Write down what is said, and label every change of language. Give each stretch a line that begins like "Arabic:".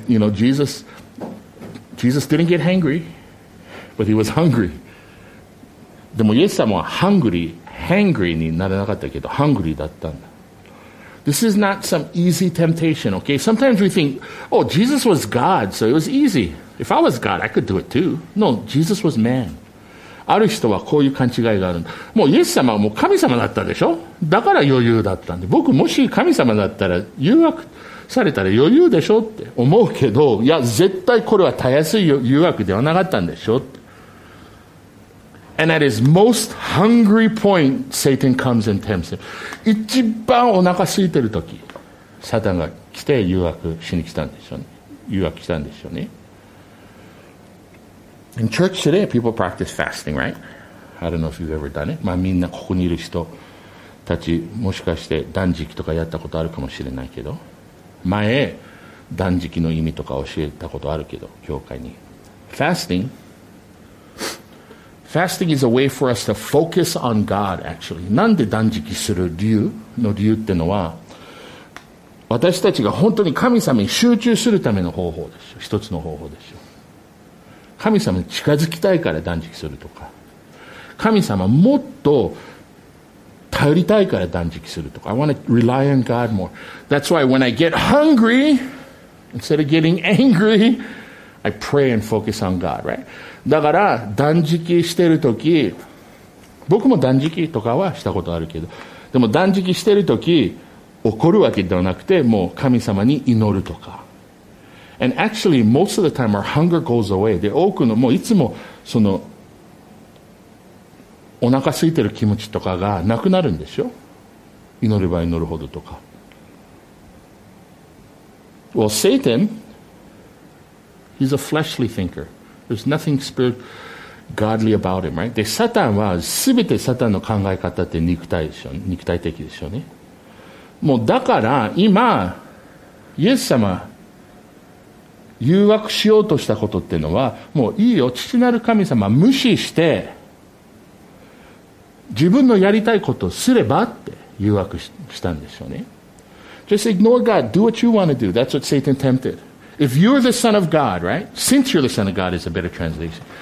English: Jesus didn't get hangry, but he was hungry.
Japanese: でもイエス様は hangry にならなかったけど hungry だったんだ。
English: This is not some easy temptation, okay? Sometimes we think, oh, Jesus was God, so it was easy. If I was God, I could do it too. No, Jesus was man.
Japanese: ある人はこういう勘違いがある。もうイエス様はもう神様だったでしょ、だから余裕だったんで。僕もし神様だったら誘惑されたら余裕でしょって思うけど、いや絶対これはたやすい誘惑ではなかったんでしょって。
English: And at his most hungry point, Satan comes and tempts him.
Japanese: 一番お腹空いてる時、サタンが来て誘惑しに来たんでしょうね。誘惑したんでしょうね。
English: In church today, people practice fasting, right? I don't know if you've ever done it.
Japanese: まあみんなここにいる人たち、もしかして断食とかやったことあるかもしれないけど、前、断食の意味とか教えたことあるけど、教会に。
English: Fasting is a way for us to focus on God, actually.
Japanese: なんで断食する理由の理由ってのは、私たちが本当に神様に集中するための方法でしょ。一つの方法でしょ。神様に近づきたいから断食するとか、神様もっと頼りたいから断食するとか。
English: I want to rely on God more. That's why when I get hungry, instead of getting angry, I pray and focus on God, right?
Japanese: だから断食してるとき、僕も断食とかはしたことあるけど、でも断食してるとき怒るわけではなくて、もう神様に祈るとか。
English: And actually most of the time our hunger goes away.
Japanese: で多くのもういつもそのお腹空いてる気持ちとかがなくなるんでしょ、祈れば祈るほどとか。
English: Well Satan, he's a fleshly thinkerThere's nothing spirit godly about him, right?
Japanese: で、サタンは全てサタンの考え方って肉体でしょ、肉体的でしょうね。もうだから今、イエス様、誘惑しようとしたことっていうのは、もういいよ、父なる神様無視して、自分のやりたいことをすればって誘惑したんでしょうね。
English: Just ignore God, do what you want to do. That's what Satan tempted. If you're the son of God, right? Since you're the son of God is a better translation.